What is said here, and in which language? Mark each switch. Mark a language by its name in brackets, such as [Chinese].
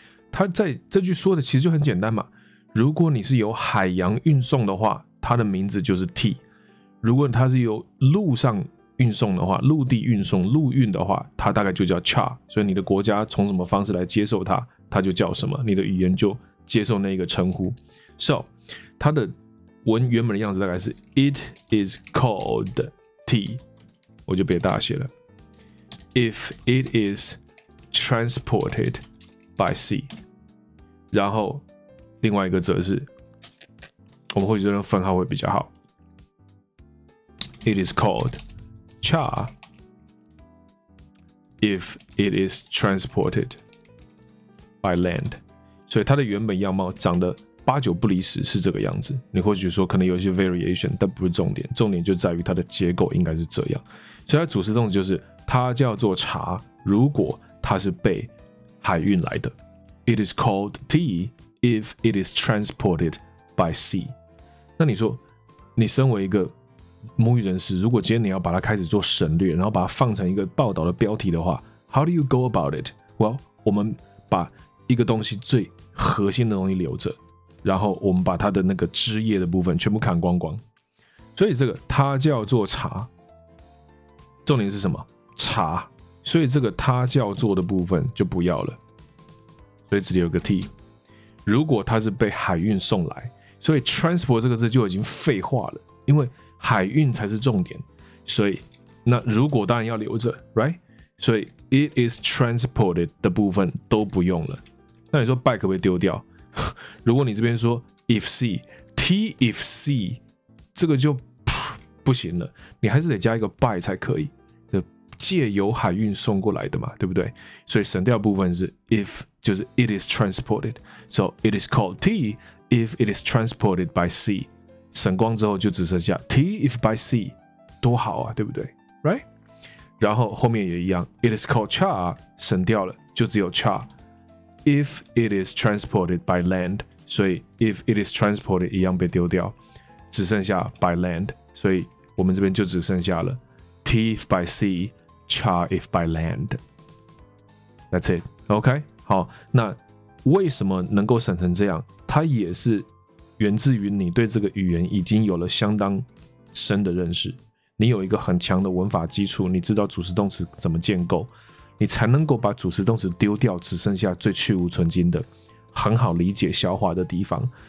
[Chinese] 他在这句说的其实就很简单嘛，如果你是由海洋运送的话，它的名字就是 T， 如果它是由陆上运送的话，陆地运送陆运的话，它大概就叫 Cha， 所以你的国家从什么方式来接受它，它就叫什么，你的语言就接受那个称呼。 So 它的文原本的样子大概是 [English] It is called tea， [Chinese] 我就别大写了。 [English] If it is transported by sea， [Chinese] 然后另外一个则是我们或许用分号会比较好。 [English] It is called char if it is transported by land。 [Chinese] 所以它的原本样貌长得八九不离十是这个样子。你或许说可能有一些 variation， 但不是重点，重点就在于它的结构应该是这样。所以它主词动词就是它叫做茶，如果它是被海运来的。 [English] It is called tea if it is transported by sea。 [Chinese] 那你说，你身为一个母语人士，如果今天你要把它开始做省略，然后把它放成一个报道的标题的话 ， [English] How do you go about it？ [Chinese] Well， 我们把一个东西最核心的东西留着，然后我们把它的那个枝叶的部分全部砍光光。所以这个它叫做茶，重点是什么？茶。所以这个它叫做的部分就不要了，所以这里有个 T。如果它是被海运送来。所以 transport 这个字就已经废话了，因为海运才是重点，所以那如果当然要留着 ，right？所以 it is transported 的部分都不用了。那你说 by 可不可以丢掉？如果你这边说 [English] if sea t if sea， [Chinese] 这个就不行了，你还是得加一个 by 才可以，就借由海运送过来的嘛，对不对？所以省掉的部分是 [English] if， [Chinese] 就是 [English] it is transported， so it is called t。 If it is transported by sea， [Chinese] 省光之后就只剩下 [English] T if by sea， [Chinese] 多好啊，对不对 [English] ？Right？ [Chinese] 然后后面也一样 ， [English] It is called char， [Chinese] 省掉了就只有 char。 [English] If it is transported by land， [Chinese] 所以 [English] if it is transported [Chinese] 一样被丢掉，只剩下 [English] by land， [Chinese] 所以我们这边就只剩下了 [English] T if by sea， char if by land。 That's it。 [Chinese] OK， 好，那为什么能够省成这样？它也是源自于你对这个语言已经有了相当深的认识，你有一个很强的文法基础，你知道主词动词怎么建构，你才能够把主词动词丢掉，只剩下最去无存精的很好理解消化的地方。